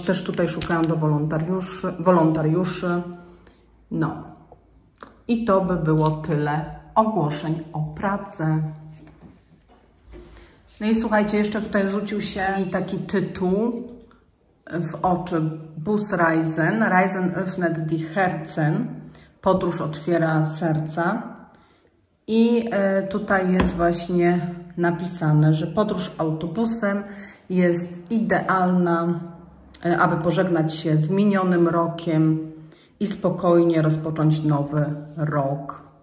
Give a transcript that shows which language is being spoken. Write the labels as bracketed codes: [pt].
[pl] Też tutaj szukają do wolontariuszy. No. I to by było tyle ogłoszeń o pracę. No i słuchajcie, jeszcze tutaj rzucił się taki tytuł w oczy. [de] Busreisen. Reisen öffnet die Herzen. [pl] Podróż otwiera serca. I tutaj jest właśnie napisane, że podróż autobusem jest idealna, aby pożegnać się z minionym rokiem i spokojnie rozpocząć nowy rok.